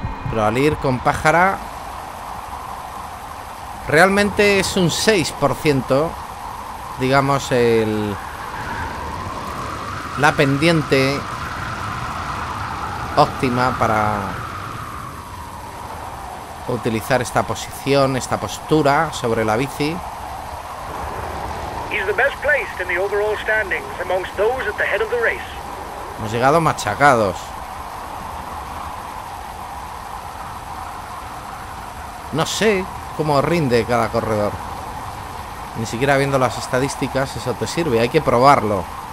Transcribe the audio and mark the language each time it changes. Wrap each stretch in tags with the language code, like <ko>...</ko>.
<es>Pero al ir con pájara, realmente es un 6%, digamos, la pendiente óptima para utilizar esta posición, esta postura sobre la bici.</es> <en>He's the best placed in the overall standings amongst those at the head of the race.</en> <es>Hemos llegado machacados. No sé cómo rinde cada corredor. Ni siquiera viendo las estadísticas eso te sirve. Hay que probarlo.</es>